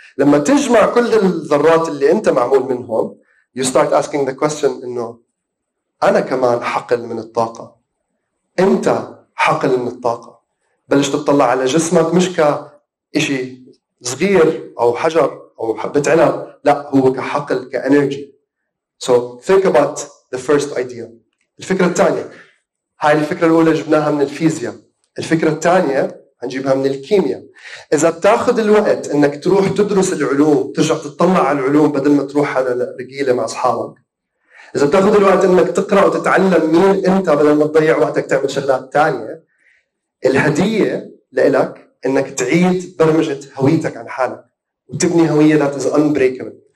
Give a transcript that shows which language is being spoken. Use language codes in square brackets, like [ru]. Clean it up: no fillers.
[ar] لما تجمع كل الذرات اللي أنت معمول منهم [en] you start asking the question [ar] إنه أنا كمان حقل من الطاقة، أنت حقل من الطاقة، بلشت تطلع على جسمك مش كإشي صغير أو حجر أو حبة عنب، لا هو كحقل كأنرجي. [en] So think about the first idea. [ar] الفكرة الثانية، هاي الفكرة الأولى جبناها من الفيزياء، الفكرة الثانية هنجيبها من الكيمياء. إذا بتاخذ الوقت إنك تروح تدرس العلوم ترجع تتطلع على العلوم بدل ما تروح على رجيلة مع أصحابك، إذا بتاخذ الوقت إنك تقرأ وتتعلم مين أنت بدل ما تضيع وقتك تعمل شغلات تانية، الهدية لإلك إنك تعيد برمجة هويتك عن حالك وتبني هوية [en] that is unbreakable.